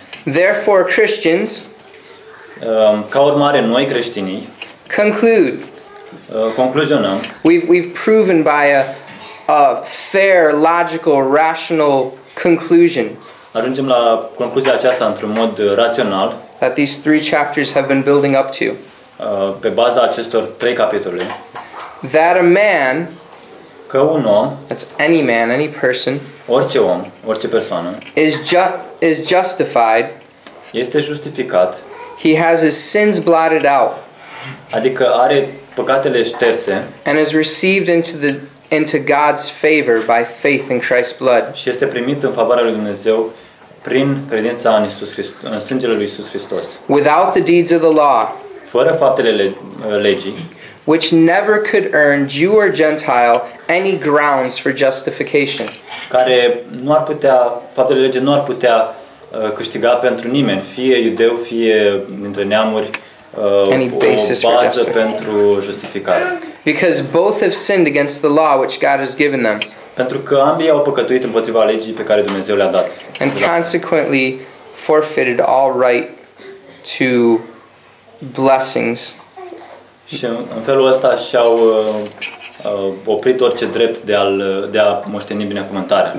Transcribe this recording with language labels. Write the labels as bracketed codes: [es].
[en] Therefore, Christians, [ro] ca urmare, noi creștinii, [en] conclude. [ro] Concluzionăm. [en] We've proven by a fair, logical, rational conclusion. [ro] Ajungem la concluzia aceasta într-un mod rațional. [en] That these three chapters have been building up to. [ro] Pe baza acestor trei capitole. [en] That a man. [ro] Că un om. [en] That's any man, any person. [ro] Orice om, orice persoană. [en] Is justified. [ro] Este justificat. [en] He has his sins blotted out. [ro] Adică are păcatele șterse. [en] And is received into God's favor by faith in Christ's blood. [ro] Și este primit în favoarea lui Dumnezeu prin credința în Isus Hristos, în sângele lui Isus Hristos. [en] Without the deeds of the law. [ro] Fără faptele legii. [en] Which never could earn Jew or Gentile any grounds for justification. [ro] Care nu ar putea, faptele legii nu ar putea câștiga pentru nimeni, fie iudeu, fie dintre neamuri, [en] any basis [ro] o bază pentru justificare. [en] Because both have sinned against the law which God has given them. [ro] Pentru că ambii au păcătuit împotriva legii pe care Dumnezeu le-a dat. [en] And consequently forfeited all right to blessings. [ro] Și în felul ăsta și-au oprit orice drept de a moșteni binecuvântarea.